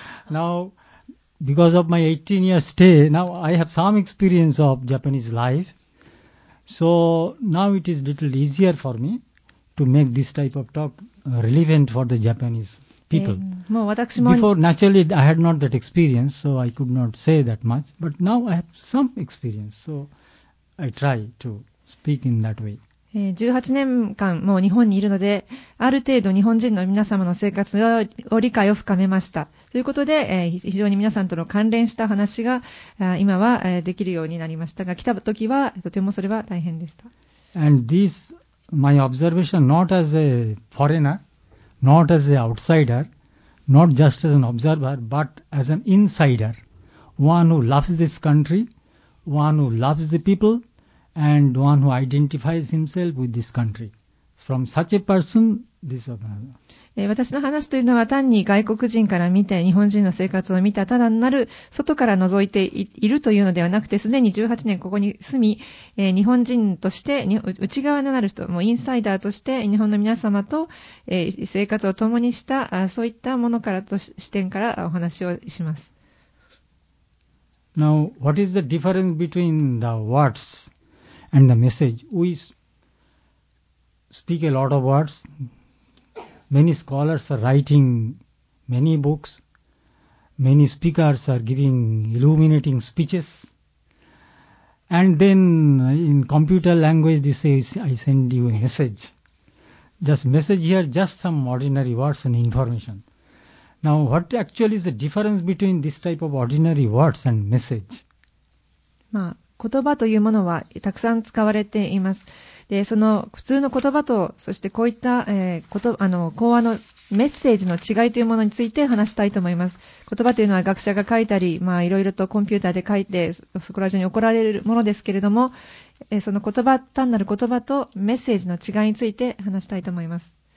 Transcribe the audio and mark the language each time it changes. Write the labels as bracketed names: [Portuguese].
[English] Now because of my 18 year stay now I have some experience of Japanese life so now it is little easier for me to make this type of talk relevant for the Japanese people [Japanese] もう私も [English] before naturally I had not that experience so I could not say that much but now I have some experience so I try to speak in that way [Japanese] 18年間もう日本にいるのである程度日本人の皆様の生活を理解を深めましたということで非常に皆さんとの関連した話が今はできるようになりましたが来た時はとてもそれは大変でした。 [English] And this my observation not as a foreigner not as an outsider not just as an observer but as an insider one who loves this country one who loves the peopleAnd one who identifies himself with this country. From such a person, this [Japanese] is 私の話というのは単に外国人から見て日本人の生活を見たただなる外から覗いて いるというのではなくてすでに18年ここに住み日本人として内側になる人もうインサイダーとして日本の皆様と生活を共にしたそういったものからと視点からお話をします。 [English] Now, what is the difference between the words? And the message, we speak a lot of words. Many scholars are writing many books. Many speakers are giving illuminating speeches. And then in computer language, they say, I send you a message. Just message here, just some ordinary words and information. Now, what actually is the difference between this type of ordinary words and message? Ma. [Japanese] 言葉というものはたくさん使われています。でその普通の言葉とそしてこういった、講話のメッセージの違いというものについて話したいと思います。言葉というのは学者が書いたり、まあ、いろいろとコンピューターで書いてそこら中に怒られるものですけれども、その言葉単なる言葉とメッセージの違いについて話したいと思います。